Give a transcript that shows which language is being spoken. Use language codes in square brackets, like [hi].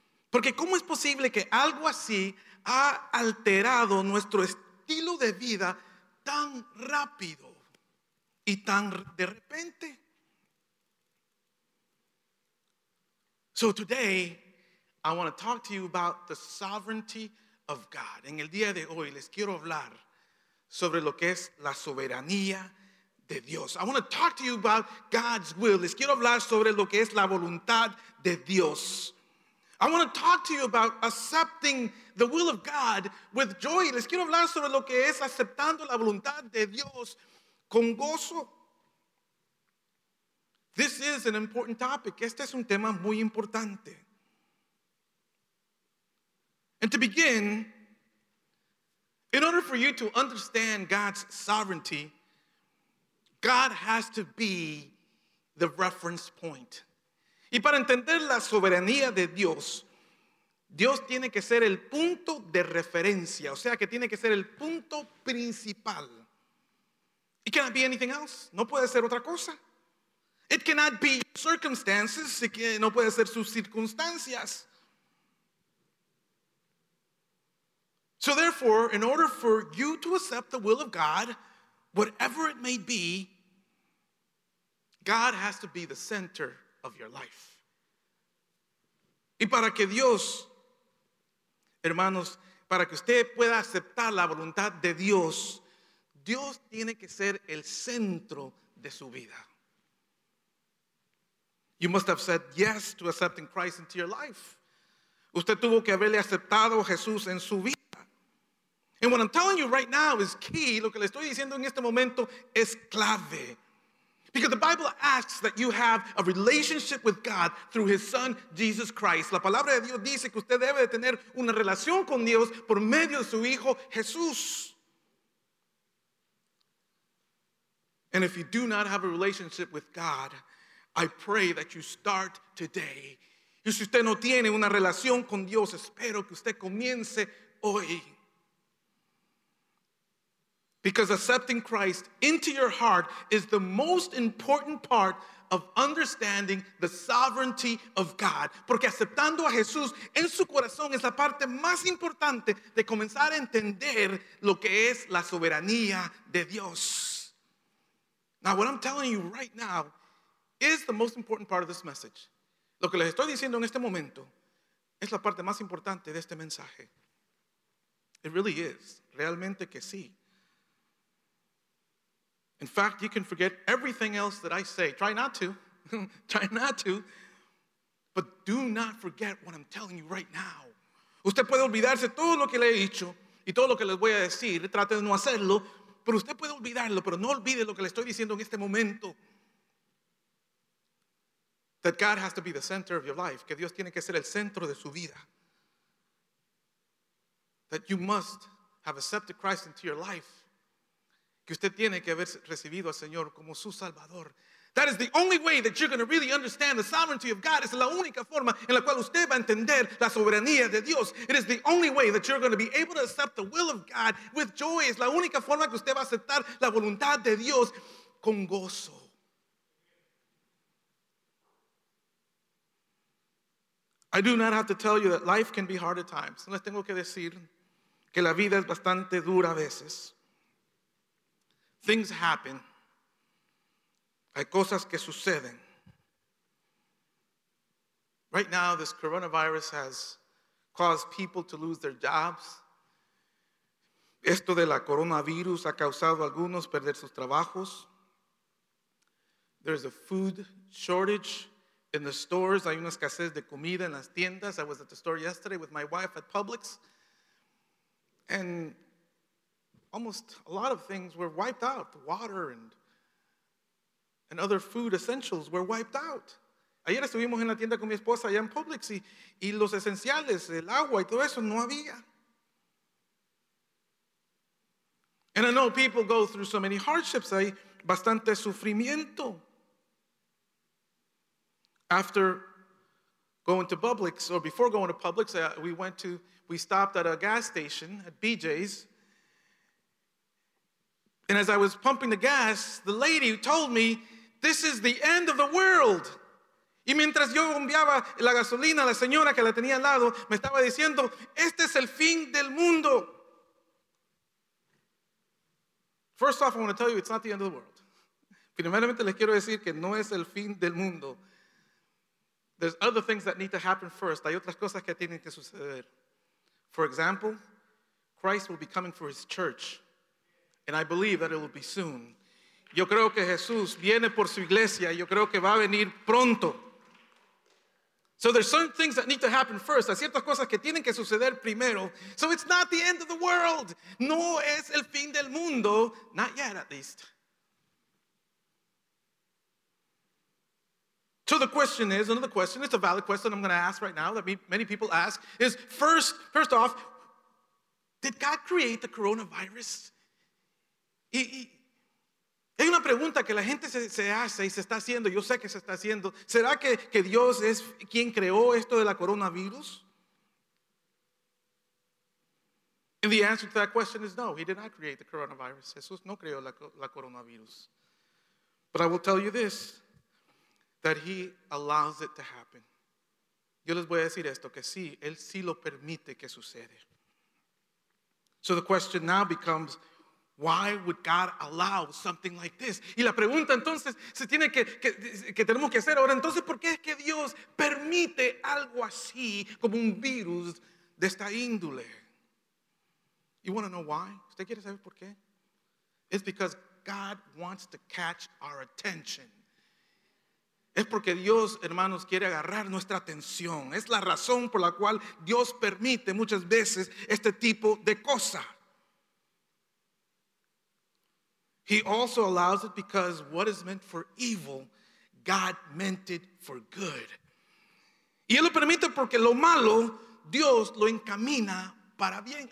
[es] Porque ¿cómo es posible que algo así ha alterado nuestro estilo de vida tan rápido y tan de repente? [en] So today, I want to talk to you about the sovereignty of God. [es] En el día de hoy, les quiero hablar sobre lo que es la soberanía de Dios. [en] I want to talk to you about God's will. [es] Les quiero hablar sobre lo que es la voluntad de Dios. [en] I want to talk to you about accepting the will of God with joy. [es] Les quiero hablar sobre lo que es aceptando la voluntad de Dios con gozo. [en] This is an important topic. [es] Este es un tema muy importante. [en] And to begin, in order for you to understand God's sovereignty, God has to be the reference point. [es] Y para entender la soberanía de Dios, Dios tiene que ser el punto de referencia. O sea, que tiene que ser el punto principal. [en] It cannot be anything else. [es] No puede ser otra cosa. [en] It cannot be circumstances, [es] no puede ser sus circunstancias. [en] So therefore, in order for you to accept the will of God, whatever it may be, God has to be the center of your life. [es] Y para que Dios, hermanos, para que usted pueda aceptar la voluntad de Dios, Dios tiene que ser el centro de su vida. [en] You must have said yes to accepting Christ into your life. [es] Usted tuvo que haberle aceptado a Jesús en su vida. [en] And what I'm telling you right now is key. [es] Lo que le estoy diciendo en este momento es clave. [en] Because the Bible asks that you have a relationship with God through his son, Jesus Christ. [es] La palabra de Dios dice que usted debe de tener una relación con Dios por medio de su hijo, Jesús. [en] And if you do not have a relationship with God, I pray that you start today. [es] Y si usted no tiene una relación con Dios, espero que usted comience hoy. [en] Because accepting Christ into your heart is the most important part of understanding the sovereignty of God. [es] Porque aceptando a Jesús en su corazón es la parte más importante de comenzar a entender lo que es la soberanía de Dios. [en] Now, what I'm telling you right now is the most important part of this message. [es] Lo que les estoy diciendo en este momento es la parte más importante de este mensaje. [en] It really is. [es] Realmente que sí. [en] In fact, you can forget everything else that I say. Try not to. Try not to. But do not forget what I'm telling you right now. [es] Usted puede olvidarse todo lo que le he dicho y todo lo que les voy a decir. Trate de no hacerlo. Pero usted puede olvidarlo, pero no olvide lo que le estoy diciendo en este momento. [en] That God has to be the center of your life. [es] Que Dios tiene que ser el centro de su vida. [en] That you must have accepted Christ into your life. [es] Que usted tiene que haber recibido al Señor como su Salvador. [en] That is the only way that you're going to really understand the sovereignty of God. [es] Es la única forma en la cual usted va a entender la soberanía de Dios. [en] It is the only way that you're going to be able to accept the will of God with joy. [es] Es la única forma que usted va a aceptar la voluntad de Dios con gozo. [en] I do not have to tell you that life can be hard at times. [es] No les tengo que decir que la vida es bastante dura a veces. [en] Things happen. [es] Hay cosas que suceden. [en] Right now, this coronavirus has caused people to lose their jobs. [es] Esto de la coronavirus ha causado a algunos perder sus trabajos. [en] There's a food shortage in the stores. [es] Hay una escasez de comida en las tiendas. [en] I was at the store yesterday with my wife at Publix. And almost a lot of things were wiped out, water and other food essentials were wiped out. [es] Ayer estuvimos en la tienda con mi esposa allá en Publix y los esenciales, el agua y todo eso, no había. [en] And I know people go through so many hardships. [es] Hay bastante sufrimiento. [en] After going to Publix, or before going to Publix, we stopped at a gas station at BJ's. And as I was pumping the gas, the lady told me, "This is the end of the world." [es] Y mientras yo bombeaba la gasolina, la señora que la tenía al lado me estaba diciendo, "Este es el fin del mundo." [en] First off, I want to tell you it's not the end of the world. [es] Primeramente les quiero decir que no es el fin del mundo. [en] There's other things that need to happen first. [es] Hay otras cosas que tienen que suceder. [en] For example, Christ will be coming for his church, and I believe that it will be soon. [es] Yo creo que Jesús viene por su iglesia. Yo creo que va a venir pronto. [en] So there's certain things that need to happen first. [es] Hay ciertas cosas que tienen que suceder primero. [en] So it's not the end of the world. [es] No es el fin del mundo. [en] Not yet, at least. So the question is, another question, it's a valid question I'm going to ask right now that many people ask, is first off, did God create the coronavirus? [es] Hay una pregunta que la gente se hace y se está haciendo, yo sé que se está haciendo. ¿Será que Dios es quien creó esto de la coronavirus? [en] And the answer to that question is no, he did not create the coronavirus. [es] Jesús no creó la coronavirus. [en] But I will tell you this, that he allows it to happen. [es] Yo les voy a decir esto, que sí, él sí lo permite que sucede. [en] So the question now becomes, why would God allow something like this? [es] Y la pregunta entonces se tiene que tenemos que hacer ahora. Entonces, ¿por qué es que Dios permite algo así como un virus de esta índole? [en] You want to know why? [es] ¿Usted quiere saber por qué? [en] It's because God wants to catch our attention. [es] Es porque Dios, hermanos, quiere agarrar nuestra atención. Es la razón por la cual Dios permite muchas veces este tipo de cosa. [en] He also allows it because what is meant for evil, God meant it for good. [es] Y él lo permite porque lo malo, Dios lo encamina para bien.